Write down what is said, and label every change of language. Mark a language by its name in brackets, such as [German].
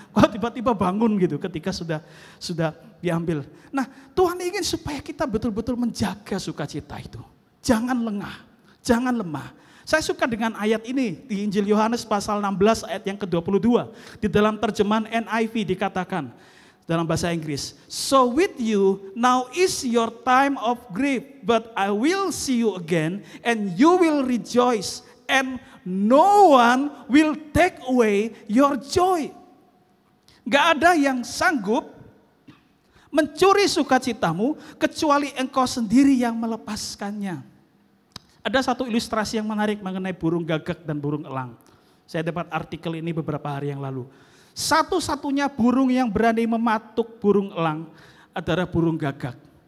[Indonesian] Kok tiba-tiba bangun gitu ketika sudah diambil. Nah Tuhan ingin supaya kita betul-betul menjaga sukacita itu. Jangan lengah, jangan lemah. Saya suka dengan ayat ini di Injil Yohanes pasal 16 ayat yang ke-22. Di dalam terjemahan NIV dikatakan dalam bahasa Inggris. [English] So with you now is your time of grief, but I will see you again and you will rejoice and no one will take away your joy. [Indonesian] Gak ada yang sanggup mencuri sukacitamu kecuali engkau sendiri yang melepaskannya. Ada satu ilustrasi yang menarik mengenai burung gagak dan burung elang. Saya dapat artikel ini beberapa hari yang lalu. Satu-satunya burung yang berani mematuk burung elang adalah burung gagak.